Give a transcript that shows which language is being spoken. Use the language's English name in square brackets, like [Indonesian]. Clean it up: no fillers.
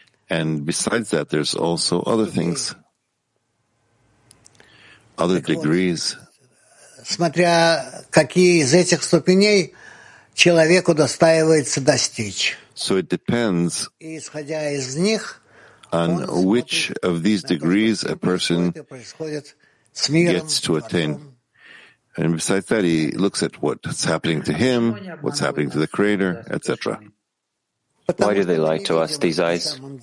[English] And besides that, there's also other things, other degrees. [Russian] Смотря какие из этих ступеней человеку достаивается достичь. [English] So it depends. [Russian] Исходя из них, [English] on which of these degrees a person gets to attain. And besides that, he looks at what's happening to him, what's happening to the Creator, etc. Why do they lie to us, these eyes?